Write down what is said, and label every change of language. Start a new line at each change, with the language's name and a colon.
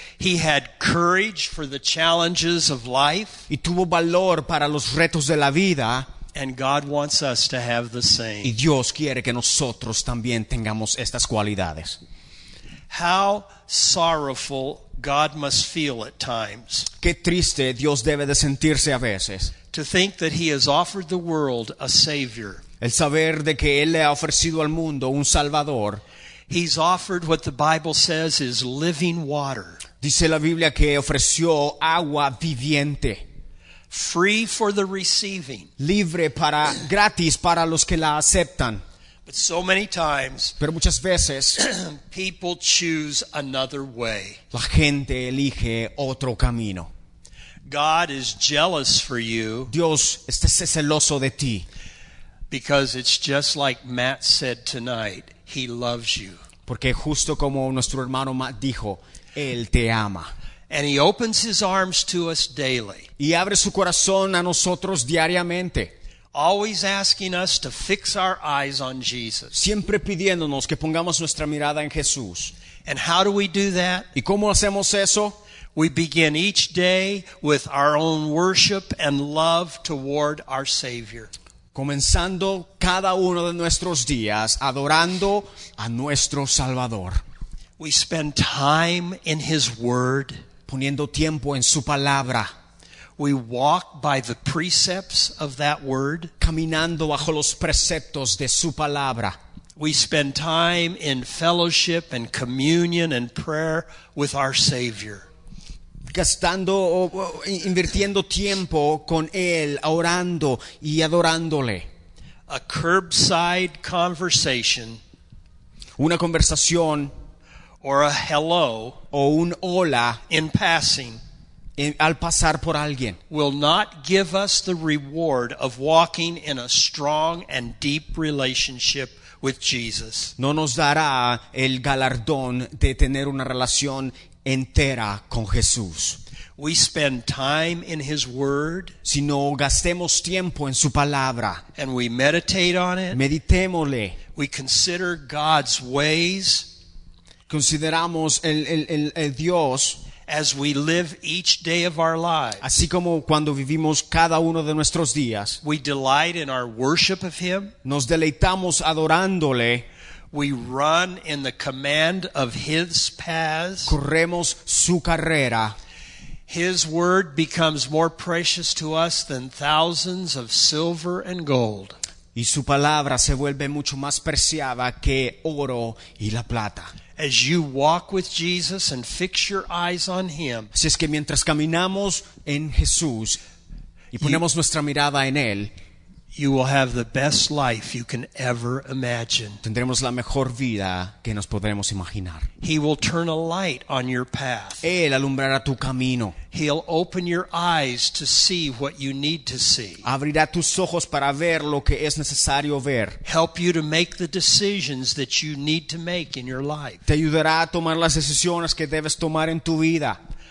English: He had courage for the challenges of life.
Spanish: Y tuvo valor para los retos de la vida.
English: And God wants us to have the same.
Spanish: Y Dios quiere que nosotros también tengamos estas cualidades.
English: How sorrowful God must feel at times.
Spanish: Qué triste Dios debe de sentirse a veces.
English: To think that He has offered the world a savior.
Spanish: El saber de que Él le ha ofrecido al mundo un salvador.
English: He's offered what the Bible says is living water.
Spanish: Dice la Biblia que ofreció agua viviente.
English: Free for the receiving.
Spanish: Libre para, gratis para los que la aceptan.
English: But so many times,
Spanish: pero muchas veces,
English: people choose another way.
Spanish: La gente elige otro camino.
English: God is jealous for you.
Spanish: Dios está celoso de ti.
English: Because it's just like Matt said tonight, He loves you.
Spanish: Porque justo como nuestro hermano Matt dijo, Él te ama.
English: And He opens His arms to us daily.
Spanish: Y abre su corazón a nosotros diariamente.
English: Always asking us to fix our eyes on Jesus.
Spanish: Siempre pidiéndonos que pongamos nuestra mirada en Jesús.
English: And how do we do that?
Spanish: ¿Y cómo hacemos eso?
English: We begin each day with our own worship and love toward our Savior.
Spanish: Comenzando cada uno de nuestros días adorando a nuestro Salvador.
English: We spend time in His Word.
Spanish: Poniendo tiempo en su palabra.
English: We walk by the precepts of that word.
Spanish: Caminando bajo los preceptos de su palabra.
English: We spend time in fellowship and communion and prayer with our Savior.
Spanish: Gastando o invirtiendo tiempo con Él, orando y adorándole.
English: A curbside conversation.
Spanish: Una conversación.
English: or a hello
Spanish: o un hola
English: in passing
Spanish: al pasar por alguien
English: will not give us the reward of walking in a strong and deep relationship with Jesus.
Spanish: No nos dará el galardón de tener una relación entera con Jesús.
English: We spend time in His Word.
Spanish: Si no gastemos tiempo en su palabra.
English: And we meditate on it.
Spanish: Meditémosle.
English: We consider God's ways.
Spanish: Consideramos el Dios.
English: As we live each day of our lives.
Spanish: Así como cuando vivimos cada uno de nuestros días.
English: We delight in our worship of Him.
Spanish: Nos deleitamos adorándole.
English: We run in the command of His paths.
Spanish: Corremos su carrera.
English: His word becomes more precious to us than thousands of silver and gold.
Spanish: Y su palabra se vuelve mucho más preciada que oro y la plata.
English: As you walk with Jesus and fix your eyes on Him,
Spanish: si es que mientras caminamos en Jesús y ponemos nuestra mirada en Él,
English: you will have the best life you can ever imagine.
Spanish: Tendremos la mejor vida que nos podremos imaginar.
English: He will turn a light on your path.
Spanish: Él alumbrará tu camino.
English: He'll open your eyes to see what you need to see.
Spanish: Abrirá tus ojos para ver lo que es necesario ver.
English: Help you to make the decisions that you need to make in your life.
Spanish: Te ayudará a tomar las decisiones que debes tomar en tu vida.